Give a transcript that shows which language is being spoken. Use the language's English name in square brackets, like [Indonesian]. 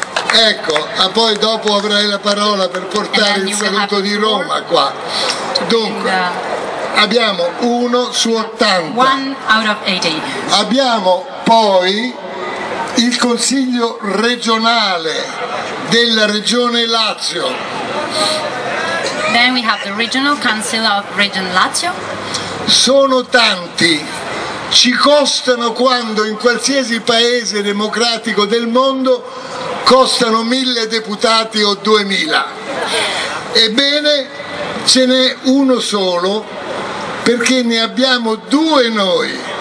[Italian] Ecco, a poi dopo avrai la parola per portare il saluto di Roma qua. Dunque, abbiamo uno su 80. [English] One out of 80. [Italian] Abbiamo poi il Consiglio regionale della Regione Lazio. [English] Then we have the regional council of Region Lazio. [Italian] Sono tanti. Ci costano quando in qualsiasi paese democratico del mondo costano 1000 deputati o 2000. Ebbene, ce n'è uno solo, perché ne abbiamo due noi.